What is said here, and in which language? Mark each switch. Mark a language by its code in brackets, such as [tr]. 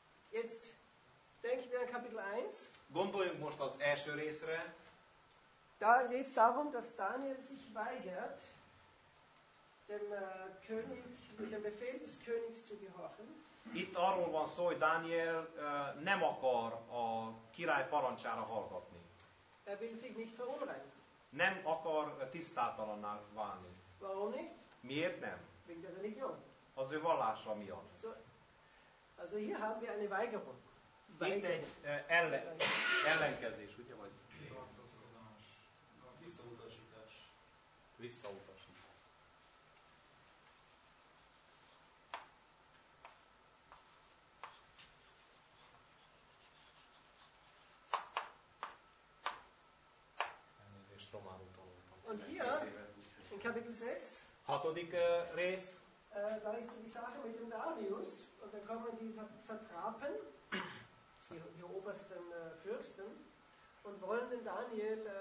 [de] Jetzt denken wir an Kapitel 1. [hu] Gondoljunk most az első részre. [de] Da geht's darum, dass Daniel sich weigert, dem König, dem Befehl des Königs zu gehorchen. [hu] Itt arról van szó, hogy Daniel nem akar a király parancsára hallgatni. [de] Er will sich nicht verunreinigt. [hu] Nem akar tisztátalanná válni. [de] Warum nicht? [hu] Miért nem? [de] Wegen der Religion. [hu] Az ő vallása miatt. [de] Also hier haben wir eine Weigerung. [hu] Itt egy ellenkezés, ugye vagy? Visszautasítás. Elnézést, románul tanultam. [de] Und hier, in Kapitel 6, [hu] hatodik rész, [de] da ist die Sache mit dem Darius, und da kommen die Satrapen, die obersten Fürsten, und wollen den Daniel